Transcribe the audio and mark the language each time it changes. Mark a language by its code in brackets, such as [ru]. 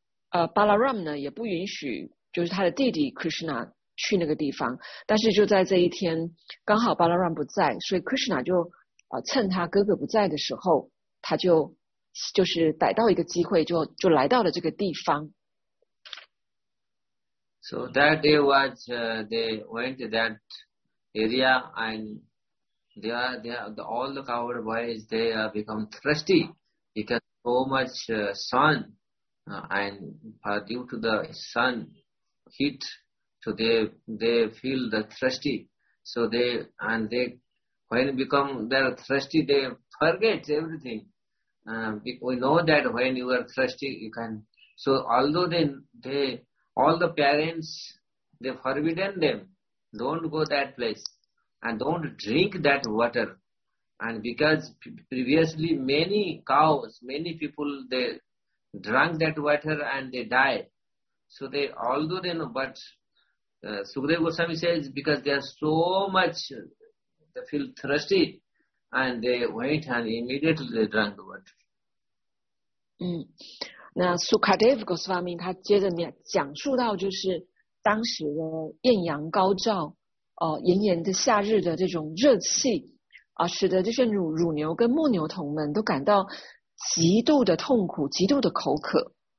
[zh] Balaram 呢也不允许就是他的弟弟 Krishna 去那个地方但是就在这一天刚好 Balaram 不在所以 Krishna 就趁他哥哥不在的时候他就是逮到一个机会就来到了这个地方 [en] So that day was they went to that area and they are all the cowherd boys they have become thirsty because so much sun and due to the sun heat so they feel the thirsty so they When become they are thirsty, they forget everything. We know that when you are thirsty, you can. So although they all the parents, they forbidden them, don't go that place and don't drink that water. And because previously many cows, many people, they drank that water and they died. So they, although they know, but Sukadeva Goswami says, because they are so much, they feel thirsty, and they went and immediately they drank the water. [zh] 那 Sukadeva Goswami 他接着讲述到，就是当时的艳阳高照，炎炎的夏日的这种热气，使得这些乳牛跟牧牛童们都感到极度的痛苦，极度的口渴，